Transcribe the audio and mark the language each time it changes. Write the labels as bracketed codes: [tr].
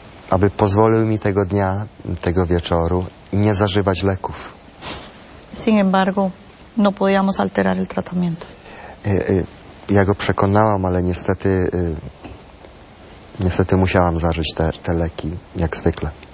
[pl] Aby pozwolił mi tego dnia, tego wieczoru, nie zażywać leków. [es] Sin embargo, no podíamos alterar el tratamiento. [pl] Ja go przekonałam, ale niestety musiałam zażyć te leki, jak zwykle.